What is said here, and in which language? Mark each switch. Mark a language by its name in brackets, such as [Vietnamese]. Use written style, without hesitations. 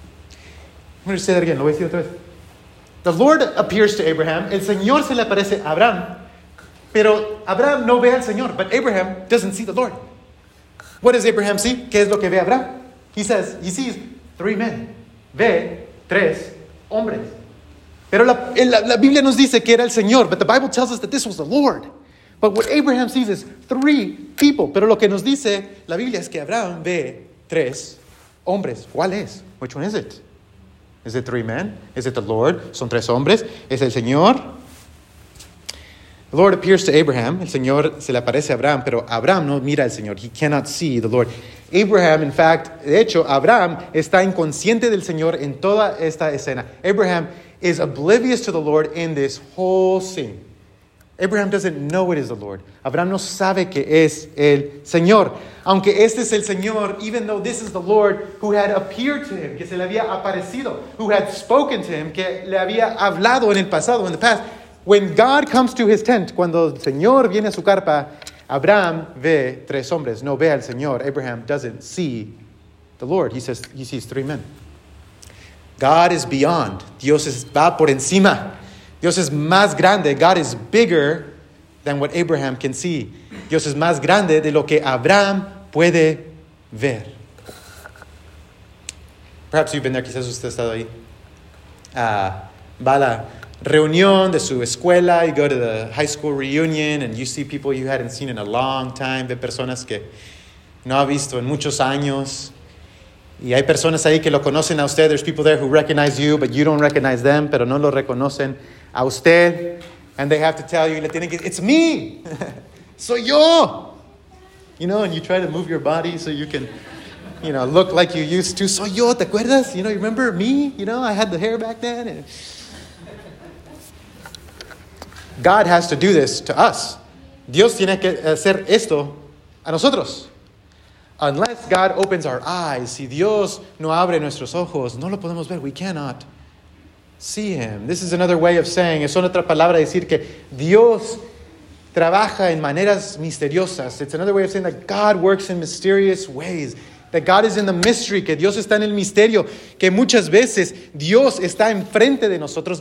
[English] I'm going to say that again, lo voy a decir otra vez. The Lord appears to Abraham, el Señor se le aparece a Abraham, pero Abraham no ve al Señor, but Abraham doesn't see the Lord. What does Abraham see? ¿Qué es lo que ve Abraham? He says, he sees three men. Ve tres hombres. [Spanish] Pero la Biblia nos dice que era el Señor, but the Bible tells us that this was the Lord. [English] But what Abraham sees is three people. [Spanish] Pero lo que nos dice la Biblia es que Abraham ve tres hombres. [English] ¿Cuál es? Which one is it? Is it three men? Is it the Lord? ¿Son tres hombres? ¿Es el Señor? The Lord appears to Abraham. [Spanish] El Señor se le aparece a Abraham, pero Abraham no mira al Señor. He cannot see the Lord. Abraham, in fact, de hecho, Abraham está inconsciente del Señor en toda esta escena. [English] Abraham is oblivious to the Lord in this whole scene. Abraham doesn't know it is the Lord. Abraham no sabe que es el Señor. Aunque este es el Señor, even though this is the Lord who had appeared to him, que se le había aparecido, who had spoken to him, que le había hablado en el pasado, in the past. [Spanish] When God comes to his tent, cuando el Señor viene a su carpa, Abraham ve tres hombres. No ve al Señor. [English] Abraham doesn't see the Lord. He sees three men. [Spanish] God is beyond. Dios va por encima. Dios es más grande. [English] God is bigger than what Abraham can see. [Spanish] Dios es más grande de lo que Abraham puede ver. Perhaps you've been there. Quizás usted ha estado ahí. Va a la reunión de su escuela. [English] You go to the high school reunion and you see people you hadn't seen in a long time. [Spanish] Ve personas que no ha visto en muchos años. Y hay personas ahí que lo conocen a usted. [English] There's people there who recognize you, but you don't recognize them, pero no lo reconocen a usted. And they have to tell you, it's me. Soy yo. You know, and you try to move your body so you can, you know, look like you used to. Soy yo, ¿te acuerdas? You know, you remember me? You know, I had the hair back then. And God has to do this to us. [Spanish] Dios tiene que hacer esto a nosotros. Unless God opens our eyes, si Dios no abre nuestros ojos, no lo podemos ver. We cannot see him. This is another way of saying, es otra palabra decir que Dios trabaja en maneras misteriosas. [English] It's another way of saying that God works in mysterious ways. That God is in the mystery, que Dios está en el misterio. [Spanish] Que muchas veces Dios está enfrente de nosotros.